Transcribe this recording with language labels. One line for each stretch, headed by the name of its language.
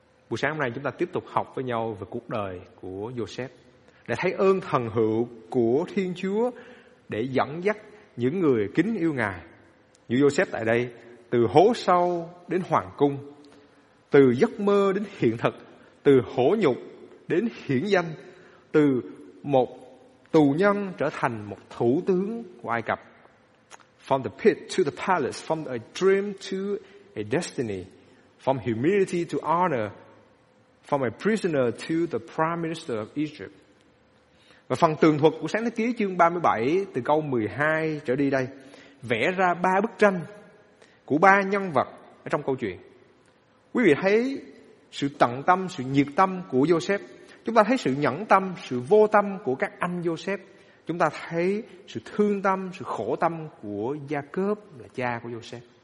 Vietnamese: Buổi sáng hôm nay chúng ta tiếp tục học với nhau về cuộc đời của Joseph, để thấy ơn thần hữu của Thiên Chúa để dẫn dắt những người kính yêu Ngài. Như Joseph tại đây, từ hố sâu đến hoàng cung, từ giấc mơ đến hiện thực, từ hổ nhục đến hiển danh, từ một tù nhân trở thành một thủ tướng của Ai Cập.
English: From the pit to the palace, from a dream to a destiny, from humility to honor, from a prisoner to the prime minister of Egypt.
Vietnamese: Và phần tường thuật của Sáng Thế Ký chương 37 từ câu 12 trở đi đây vẽ ra ba bức tranh của ba nhân vật ở trong câu chuyện. Quý vị thấy sự tận tâm, sự nhiệt tâm của Joseph. Chúng ta thấy sự nhẫn tâm, sự vô tâm của các anh Joseph. Chúng ta thấy sự thương tâm, sự khổ tâm của Jacob là cha của Joseph.